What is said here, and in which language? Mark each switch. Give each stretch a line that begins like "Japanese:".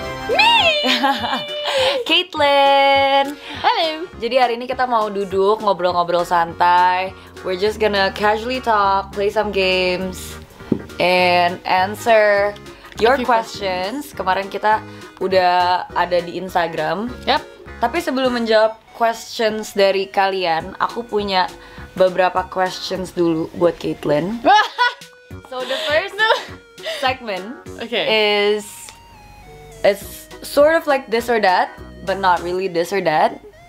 English: Me. Caitlin. Hello.
Indonesian: Jadi hari ini kita mau duduk ngobrol-ngobrol santai.
English: We're just gonna casually talk, play some games, and answer your questions.
Indonesian: Kemarin kita udah ada di Instagram.
English: Yep.
Indonesian: Tapi sebelum menjawab questions dari kalian, aku punya beberapa questions dulu buat Caitlin.
English: So the first segment is sort of like this or that, but not really this or that.